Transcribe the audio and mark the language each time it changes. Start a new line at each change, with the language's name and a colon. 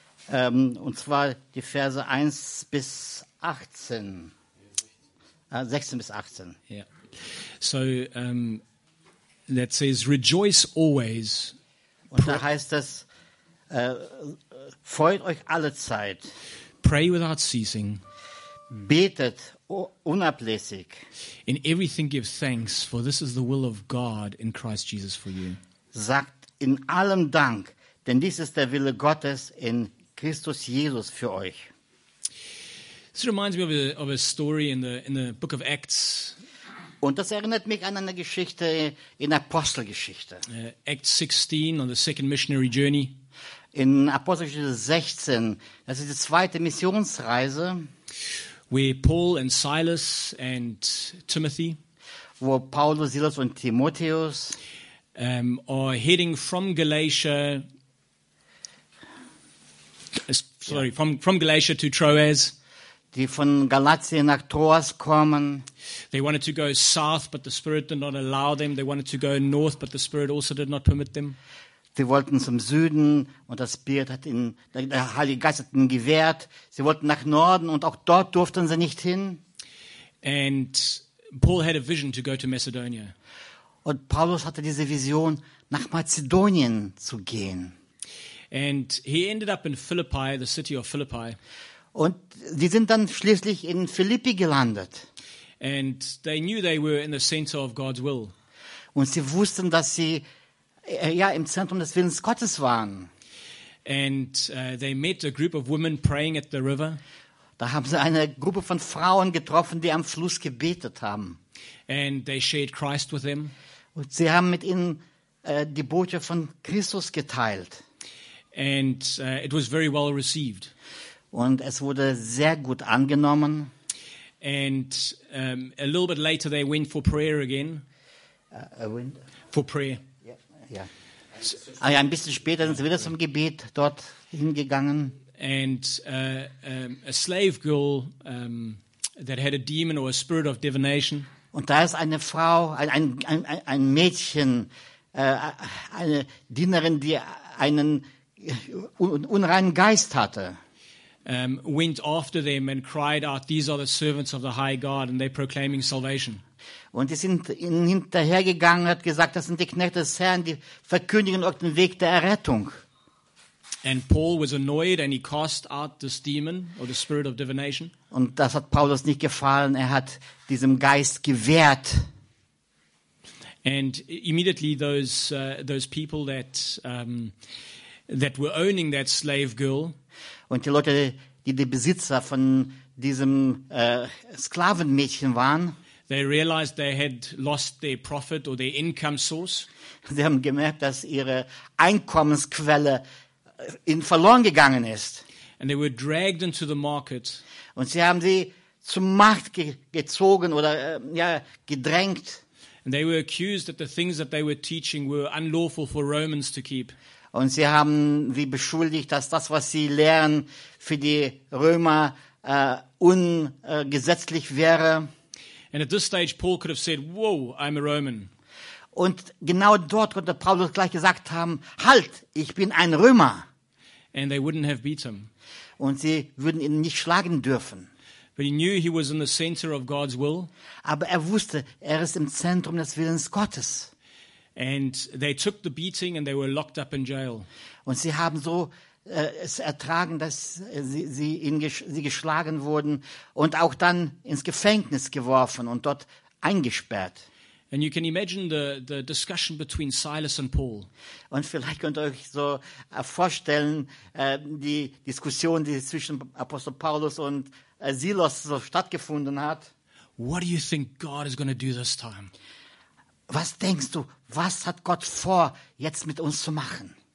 German: Und zwar die Verse 1 bis 18. 16 bis 18.
English: So that says, rejoice always.
German: Und da heißt es, freut euch alle Zeit.
English: Pray without ceasing.
German: Betet unablässig.
English: In everything give thanks, for this is the will of God in Christ Jesus for you.
German: Sagt in allem Dank, denn dies ist der Wille Gottes in Christus Jesus für euch.
English: This reminds me of a story in the book of Acts.
German: Und das erinnert mich an eine Geschichte in Apostelgeschichte.
English: Act 16 on the second missionary journey.
German: In Apostelgeschichte 16, das ist die zweite Missionsreise,
English: where Paul and Silas and Timothy,
German: wo Paulus, Silas und Timotheus
English: are heading from Galatia, sorry, from Galatia to Troas.
German: Die von Galatien nach Troas kommen.
English: They wanted to go south, but the Spirit did not allow them. They wanted to go north, but the Spirit also did not permit them.
German: Sie wollten zum Süden und das Spirit hat ihnen, der Heilige Geist hat ihnen gewehrt. Sie wollten nach Norden und auch dort durften sie nicht hin.
English: And Paul had a vision to go to Macedonia.
German: Und Paulus hatte diese Vision, nach Mazedonien zu gehen.
English: And he ended up in Philippi, the city of Philippi.
German: Und sie sind dann schließlich in Philippi gelandet.
English: And they knew they were in the center of God's will.
German: Und sie wussten, dass sie ja im Zentrum des Willens Gottes waren.
English: And they met a group of women praying at the river.
German: Da haben sie eine Gruppe von Frauen getroffen, die am Fluss gebetet haben.
English: And they shared Christ with them.
German: Und sie haben mit ihnen die Botschaft von Christus geteilt.
English: And it was very well received.
German: Und es wurde sehr gut angenommen.
English: And a little bit later they went for prayer again. For prayer. Yeah.
German: Ein bisschen später sind sie wieder zum Gebet dort hingegangen.
English: And a slave girl that had a demon or a spirit of divination.
German: Und da ist eine Frau, ein Mädchen, eine Dienerin, die einen unreinen Geist hatte.
English: Went after them and cried out, "These are the servants of the High God, and they're proclaiming salvation."
German: Und die sind ihnen hinterhergegangen, hat gesagt, das sind die Knechte des Herrn, die verkündigen euch den Weg der Errettung.
English: And Paul was annoyed, and he cast out this demon or the spirit of divination.
German: Und das hat Paulus nicht gefallen. Er hat diesem Geist gewehrt.
English: And immediately those people that were owning that slave girl.
German: Und die Leute, die Besitzer von diesem Sklavenmädchen waren,
English: They realized they had lost their profit or their income source.
German: Sie haben gemerkt, dass ihre Einkommensquelle in verloren gegangen ist.
English: And they were dragged into the market.
German: Und sie haben sie zum Markt gezogen oder gedrängt.
English: And they were accused that the things that they were teaching were unlawful for Romans to keep.
German: Und sie haben sie beschuldigt, dass das, was sie lehren, für die Römer ungesetzlich wäre.
English: And at this stage, Paul could have said, "Whoa, I'm a Roman."
German: Und genau dort konnte Paulus gleich gesagt haben: "Halt, ich bin ein Römer."
English: And they wouldn't have beat him.
German: Und sie würden ihn nicht schlagen dürfen.
English: But he knew he was in the center of God's will.
German: Aber er wusste, er ist im Zentrum des Willens Gottes.
English: And they took the beating and they were locked up in jail.
German: Und sie haben so es ertragen, dass sie geschlagen wurden und auch dann ins Gefängnis geworfen und dort eingesperrt.
English: And you can imagine the discussion between Silas and Paul.
German: Und vielleicht könnt ihr euch so vorstellen, die Diskussion, die zwischen Apostel Paulus und Silas so stattgefunden hat.
English: What do you think God is going to do this time?
German: Was denkst du, was hat Gott vor, jetzt mit uns zu machen?